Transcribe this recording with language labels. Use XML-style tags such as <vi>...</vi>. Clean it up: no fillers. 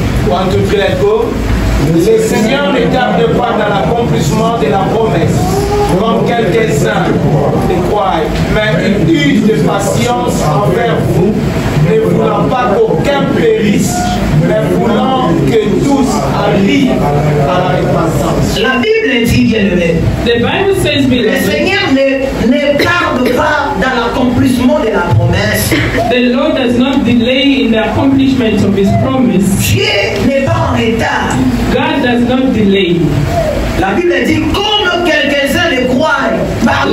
<fr>En tout cas, le Seigneur ne tarde pas dans l'accomplissement de la promesse, comme quelques-uns le croient, mais il use de patience envers vous, ne voulant pas qu'aucun périsse, mais voulant que tous arrivent à la repentance. La Bible dit, bien-aimé,</fr> <en>the Bible says,</en> <fr>le Seigneur ne tarde pas dans l'accomplissement de la promesse.</fr> <en>The Lord does not delay in the accomplishment of his promise.</en> <fr>Dieu n'est pas en retard.</fr> <en>God does not delay.</en> <fr>La Bible dit, comme quelques-uns le croient, parmi</fr>